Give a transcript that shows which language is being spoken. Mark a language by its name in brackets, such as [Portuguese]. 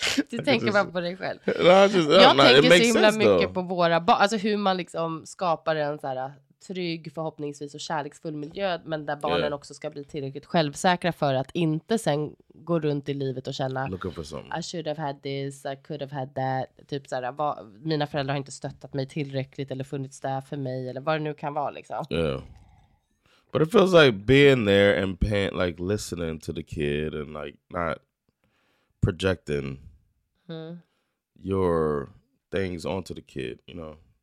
[Swedish] Du tänker bara på dig själv. No, tänker så himla mycket På våra barn. Alltså hur man liksom skapar en så här trygg, förhoppningsvis och kärleksfull miljö. Men där barnen också ska bli tillräckligt självsäkra för att inte sen gå runt i livet och känna [English] looking for something. I should have had this, I could have had that. [Swedish] Typ så här, mina föräldrar har inte stöttat mig tillräckligt eller funnits där för mig. Eller vad det nu kan vara liksom. [English] Yeah. But it feels like being there and paying, like listening to the kid and like not projecting your things onto the kid, you know.